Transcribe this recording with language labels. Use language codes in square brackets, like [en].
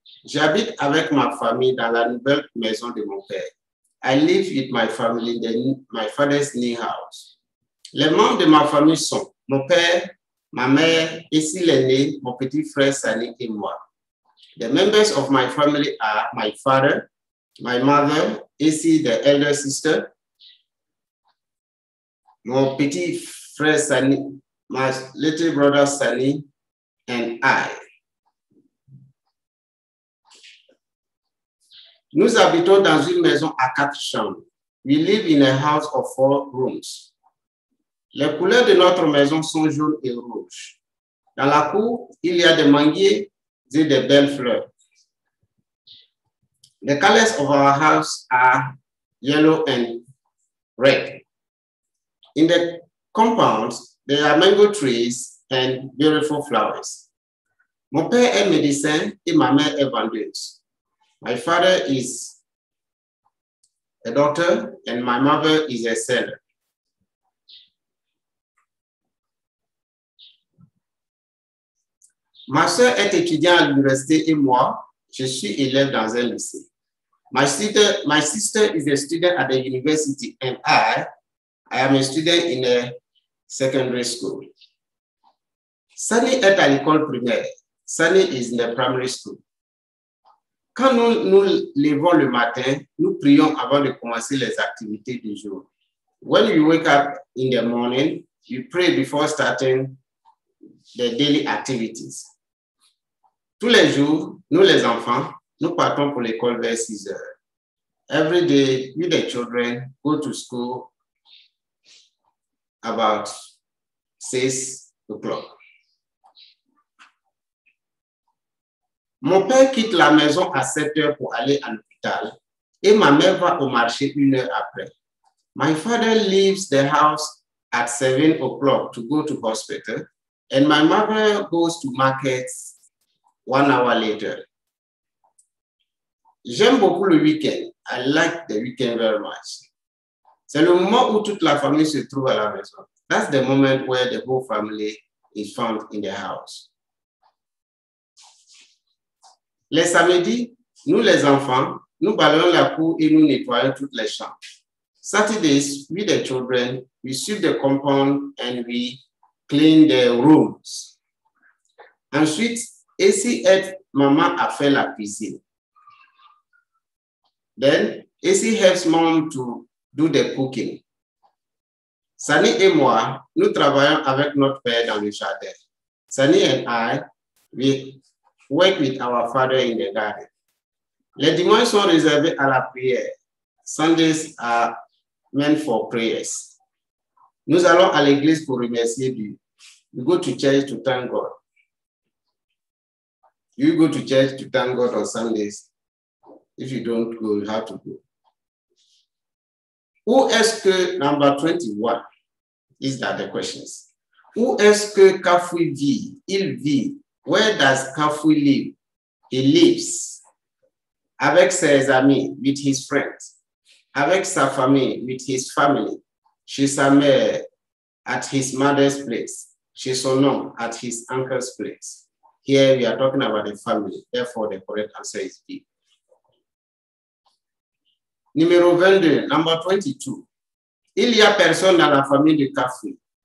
[fr] J'habite avec ma famille dans la nouvelle maison de mon père. [en] I live with my family in my father's new house. [fr] Les membres de ma famille sont mon père, ma mère, ici l'aîné, mon petit frère Sani et moi. [en] The members of my family are my father, my mother, ici the elder sister, [fr] mon petit frère Sani, [en] my little brother Sani, and I. [fr] Nous habitons dans une maison à quatre chambres. [en] We live in a house of four rooms. [fr] Les couleurs de notre maison sont jaune et rouge. Dans la cour, il y a des manguiers et des belles fleurs. [en] The colors of our house are yellow and red. In the compound, there are mango trees and beautiful flowers. [fr] Mon père est médecin et ma mère est vendeuse. [en] My father is a doctor and my mother is a seller. [fr] Ma soeur est étudiante à l'université et moi, je suis élève dans un lycée. [en] My sister is a student at the university and I am a student in a secondary school. [fr] Sunny est à l'école primaire. [en] Sunny is in the primary school. [fr] Quand nous levons le matin, nous prions avant de commencer les activités du jour. [en] When you wake up in the morning, you pray before starting the daily activities. [fr] Tous les jours, nous les enfants, nous partons pour l'école vers 6 heures. [en] Every day, we the children go to school about 6 o'clock. [fr] Mon père quitte la maison à 7 heures pour aller à l'hôpital et ma mère va au marché une heure après. [en] My father leaves the house at 7 o'clock to go to hospital and my mother goes to market 1 hour later. [fr] J'aime beaucoup le week-end. [en] I like the weekend very much. [fr] C'est le moment où toute la famille se trouve à la maison. [en] That's the moment where the whole family is found in the house. [fr] Les samedis, nous les enfants, nous balayons la cour et nous nettoyons toutes les chambres. [en] Saturdays, we the children, we sweep the compound and we clean the rooms. [fr] Ensuite, Essie aide maman à faire la cuisine. [en] Then, Essie helps mom to do the cooking. [fr] Sunny et moi, nous travaillons avec notre père dans le jardin. [en] Sunny and I, we work with our father in the garden. [fr] Les dimanches sont réservés à la prière. [en] Sundays are meant for prayers. [fr] Nous allons à l'église pour remercier Dieu. [en] We go to church to thank God. You go to church to thank God on Sundays. If you don't go, you have to go. [fr] Où est-ce que, [en] number 21, is that the questions? [fr] Où est-ce que Cafu vit? Il vit. [en] Where does Cafu live? He lives. [fr] Avec ses amis, [en] with his friends. [fr] Avec sa famille, [en] with his family. [fr] Chez sa mère, [en] at his mother's place. [fr] Chez son nom, [en] at his uncle's place. Here we are talking about the family, therefore the correct answer is B. [fr] Numéro 22, [en] number 22. [fr] Il y a personne dans la famille de Cafu.